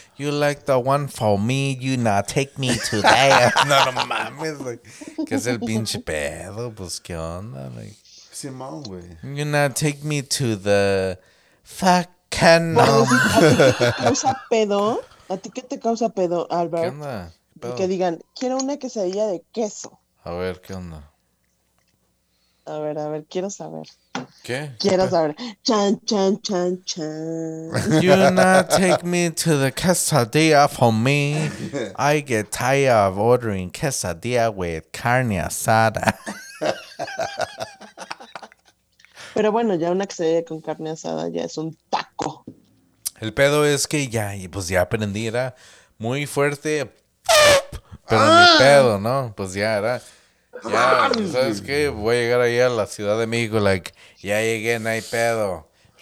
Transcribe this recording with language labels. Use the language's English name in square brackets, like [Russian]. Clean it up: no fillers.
[English] You like the one for me, you not take me today. [Spanish] No, no mames, like, ¿qué es el pinche pedo? Pues, ¿qué onda? Like, sí, mal, güey. [English] You not take me to the fucking... [Spanish] ¿A ti qué te causa pedo? ¿A ti qué te causa pedo, Albert? ¿Qué onda? Pedo. Que digan, quiero una quesadilla de queso. A ver, ¿qué onda? A ver, quiero saber. ¿Qué? Quiero saber. Chan, chan, chan, chan. [English] You not take me to the quesadilla for me. I get tired of ordering quesadilla with carne asada. [Spanish] Pero bueno, ya una quesadilla con carne asada ya es un taco. El pedo es que ya, pues ya aprendí, era muy fuerte. Pero mi pedo, ¿no? Pues ya era... Ya, ¿sabes qué? Voy a llegar ahí a la Ciudad de México, like, ya llegué, no hay pedo.